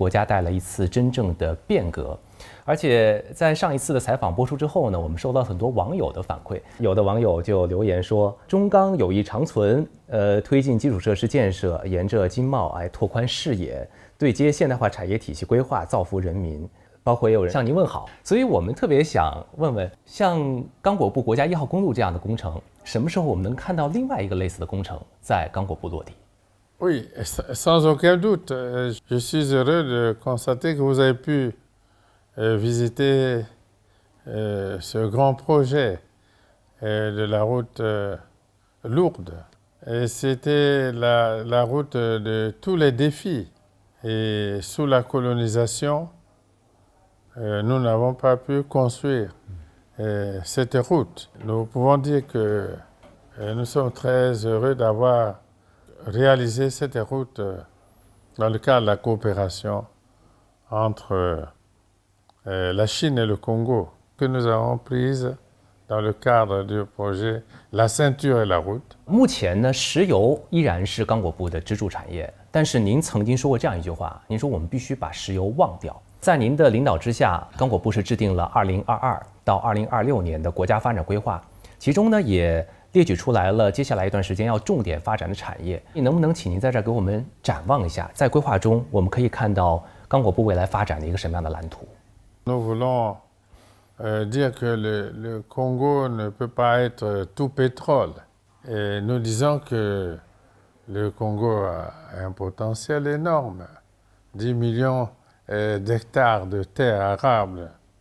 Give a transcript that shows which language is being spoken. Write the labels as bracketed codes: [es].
[zh] 上一次在刚果部采访您之后呢，我们是实地探访了刚果部国家一号公路，深切感受到了这条公路给沿线居民带来的发展契机。正如您在采访中所说的，这条路的建成啊，是给这国家带来一次真正的变革。而且在上一次的采访播出之后呢，我们收到很多网友的反馈。有的网友就留言说：“中钢有意长存，推进基础设施建设，沿着经贸来拓宽视野。” 对接现代化产业体系规划，造福人民，包括也有人向您问好。所以我们特别想问问，像刚果部国家一号公路这样的工程，什么时候我们能看到另外一个类似的工程在刚果部落地？ [fr] Oui, sans aucun doute, je suis heureux de constater que vous avez pu visiter ce grand projet de la route lourde. Et c'était la route de tous les défis. Et sous la colonisation, nous n'avons pas pu construire cette route. Nous pouvons dire que nous sommes très heureux d'avoir réaliser cette route dans le cadre de la coopération entre la Chine et le Congo que nous avons prise dans le cadre du projet La Ceinture et la Route. [zh] 目前呢，石油依然是刚果部的支柱产业，但是您曾经说过这样一句话，您说我们必须把石油忘掉。在您的领导之下，刚果部是制定了2022到2026年的国家发展规划，其中呢也列举出来了接下来一段时间要重点发展的产业，你能不能请您在这儿给我们展望一下，在规划中我们可以看到刚果部未来发展的一个什么样的蓝图？ [fr] Nous voulons dire que le Congo ne peut pas être tout pétrole. Et nous disons que le Congo a un potentiel énorme. 10 millions d'hectares de terres arables.